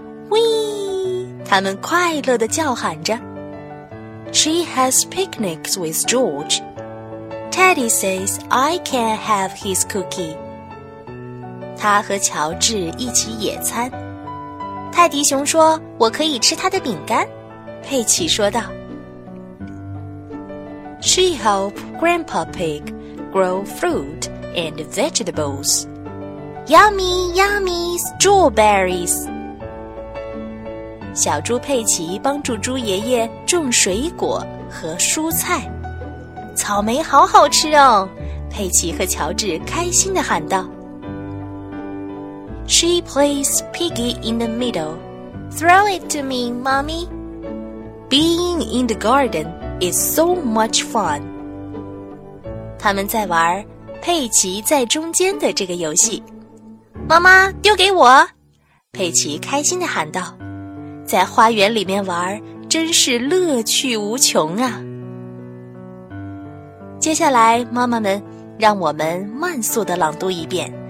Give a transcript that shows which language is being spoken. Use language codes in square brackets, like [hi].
[en] Whee! [zh] 他们快乐地叫喊着。 [en] She has picnics with George. Teddy says I can have his cookie. [zh] 他和乔治一起野餐。泰迪熊说，我可以吃他的饼干，佩奇说道。 [en] She helped Grandpa Pig grow fruit and vegetables. Yummy, yummy strawberries. [zh] 小猪佩奇帮助猪爷爷种水果和蔬菜。草莓好好吃哦，佩奇和乔治开心地喊道。 [en] She plays piggy in the middle. Throw it to me, mommy. Being in the garden is so much fun. [zh] 他们在玩佩奇在中间的这个游戏。妈妈，丢给我！佩奇开心地喊道。在花园里面玩，真是乐趣无穷啊。接下来，妈妈们，让我们慢速地朗读一遍。